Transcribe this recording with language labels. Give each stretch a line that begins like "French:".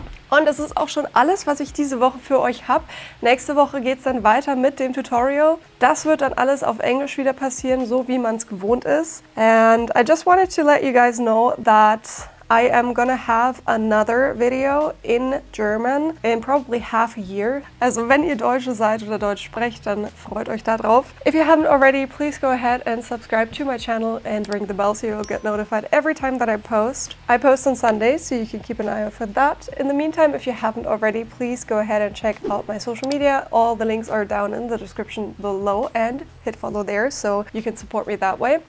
German: Und das ist auch schon alles, was ich diese Woche für euch habe. Nächste Woche geht es dann weiter mit dem Tutorial. Das wird dann alles auf Englisch wieder passieren, so wie man es gewohnt ist.
English: And I just wanted to let you guys know that I am gonna have another video in German in probably half a year.
German: Also wenn ihr Deutsche seid oder Deutsch sprecht, dann freut euch da drauf.
English: If you haven't already, please go ahead and subscribe to my channel and ring the bell so you'll get notified every time that I post. I post on Sundays, so you can keep an eye out for that. In the meantime, if you haven't already, please go ahead and check out my social media. All the links are down in the description below and hit follow there so you can support me that way.